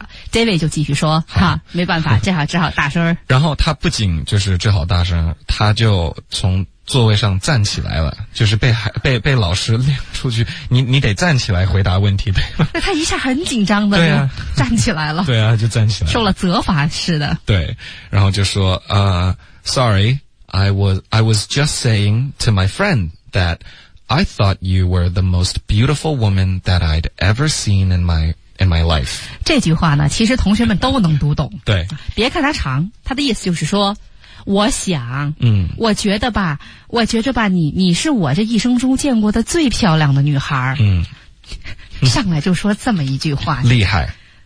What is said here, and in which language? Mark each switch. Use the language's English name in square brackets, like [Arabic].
[Chinese] David 就继续说哈、没办法，只好大声。然后他不仅就是只好大声，他就从座位上站起来了，就是被老师领出去，你得站起来回答问题呗。那他一下很紧张的，对啊，站起来了，对啊，就站起来了，受了责罚似的。对，然后就说 [English] sorry, I was just saying to my friend that I thought you were the most beautiful woman that I'd ever seen in my life. [Chinese] 这句话呢，其实同学们都能读懂。对，别看它长，它的意思就是说。我想，我觉得吧，我觉着吧，你是我这一生中见过的最漂亮的女孩。上来就说这么一句话，厉害，